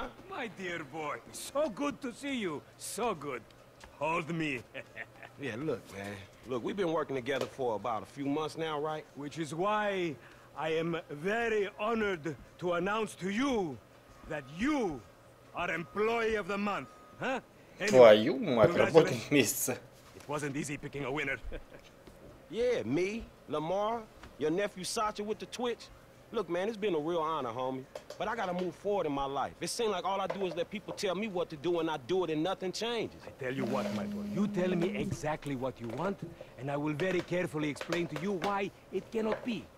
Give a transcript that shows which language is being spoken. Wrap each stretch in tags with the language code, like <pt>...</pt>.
<en>My dear boy, so good to see you, so good. Hold me. Yeah, look, man. Look, we've been working together for about a few months now, right? Which is why I am very honored to announce to you that you are employee of the month, huh?</en> <ru>Твою мать, работа месяца.</ru> <en>It wasn't easy picking a winner. Yeah, me, Lamar, your nephew Sacha with the twitch. Look, man, it's been a real honor, homie. But I gotta move forward in my life. It seems like all I do is let people tell me what to do, and I do it, and nothing changes. I tell you what, my boy. You tell me exactly what you want, and I will very carefully explain to you why it cannot be.</en>